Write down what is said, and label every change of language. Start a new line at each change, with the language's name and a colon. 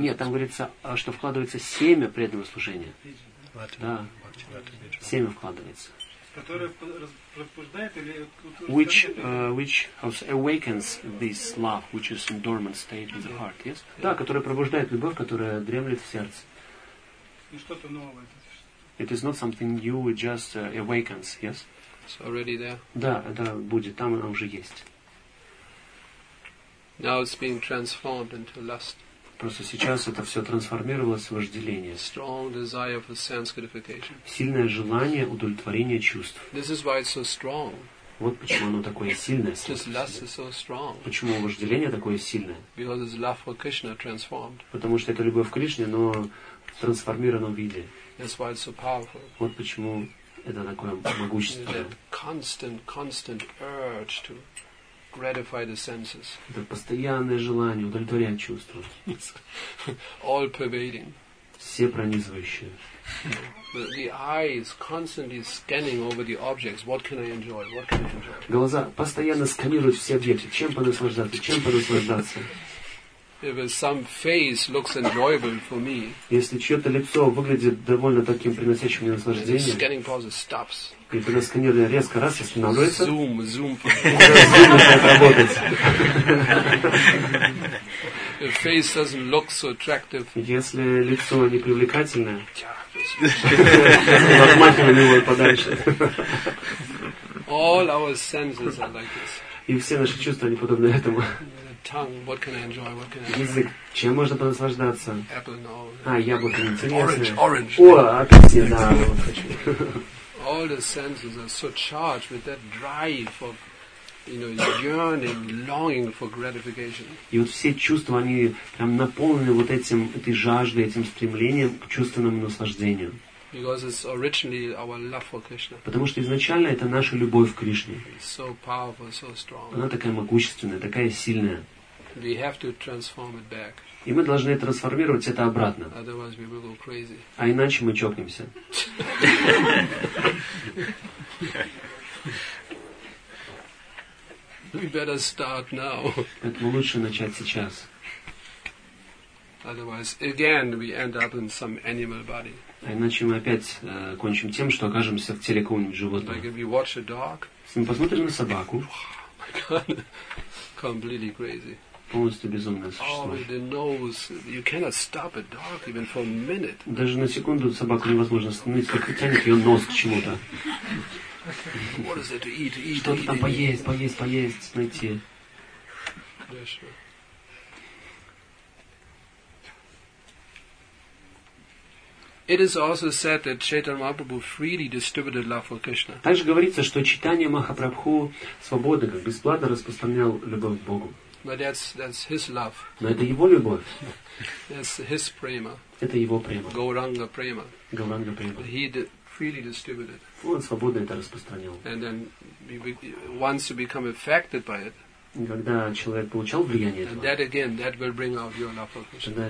Russian: Нет, там говорится, что вкладывается семя преданного служения. Да. Семя вкладывается. Которое пробуждает или...
English: Which awakens this love, which is in dormant state in the heart, yes? Yeah.
Russian: Да, которое пробуждает любовь, которая дремлет в сердце. И что-то новое.
English: It is not something new, it just awakens, yes?
Russian: Да, это будет, там она уже есть.
English: Now it's being transformed into lust.
Russian: Просто сейчас это все трансформировалось в вожделение.
English: Strong desire for sense gratification.
Russian: Сильное желание удовлетворения чувств.
English: This is why it's so strong.
Russian: Вот почему оно такое сильное.
English: Just lust is so strong.
Russian: Почему вожделение такое сильное?
English: Because it's love for Krishna transformed.
Russian: Потому что это любовь к Кришне, но в трансформированном виде.
English: That's why it's so powerful.
Russian: Вот почему это такое могущественное.
English: Constant urge to gratify the senses.
Russian: Это постоянное желание удовлетворять чувства.
English: All pervading.
Russian: Все пронизывающее.
English: The eye is constantly scanning over the objects. What can I enjoy? What can I enjoy?
Russian: Глаза постоянно сканируют все объекты. Чем понаслаждаться? Чем понаслаждаться?
English: If some face looks enjoyable for me,
Russian: если чье-то лицо выглядит довольно таким приносящим мне наслаждение,
English: scanning pause stops.
Russian: И когда сканирование резко раз останавливается,
English: zoom
Russian: начинает работать.
English: If face doesn't look so attractive,
Russian: если лицо не привлекательное, отмахиваем его подальше.
English: All our senses are like this.
Russian: И все наши чувства они подобны этому.
English: Tongue, what can I enjoy? What can I enjoy?
Russian: Язык, чем можно понаслаждаться?
English: Apple, no.
Russian: А, яблоко интересное.
English: Orange.
Russian: О, апельсин, да, вот хочу.
English: All the senses are so charged with that drive of, you know, yearning, longing for gratification.
Russian: И вот все чувства, они прям наполнены вот этим, этой жаждой, этим стремлением к чувственному наслаждению.
English: Because it's originally our love for Krishna.
Russian: Потому что изначально это наша любовь к Кришне.
English: So powerful, so strong.
Russian: Она такая могущественная, такая сильная.
English: We have to transform it back.
Russian: И мы должны трансформировать это обратно.
English: Otherwise we will go crazy.
Russian: А иначе мы чокнемся.
English: We better start now.
Russian: Поэтому лучше начать сейчас.
English: Otherwise, again, we end up in some animal body.
Russian: А иначе мы опять кончим тем, что окажемся в теле какого-нибудь животного.
English: Like if you watch a dog,
Russian: если мы посмотрим на собаку,
English: completely crazy.
Russian: Полностью безумное существо.
English: Oh, the nose, you cannot stop a dog even for a minute.
Russian: Даже на секунду собаку невозможно остановить, как тянет ее нос к чему-то.
English: What is there to eat? Eat,
Russian: что-то
English: eat,
Russian: там
English: eat,
Russian: поесть,
English: eat.
Russian: Поесть, поесть, поесть, найти.
English: Yeah, sure. It is also said that Chaitanya Mahaprabhu freely distributed love for Krishna.
Russian: Также говорится, что Чайтанья Махапрабху свободно, как бесплатно распространял любовь к Богу.
English: But that's his love.
Russian: Но это его любовь.
English: That's his prema.
Russian: Это его према. Гауранга према. Гауранга према.
English: He freely distributed.
Russian: Он свободно это распространял.
English: And then once you become affected by it.
Russian: Когда человек получал влияние этого.
English: That again, that will bring out your love for Krishna.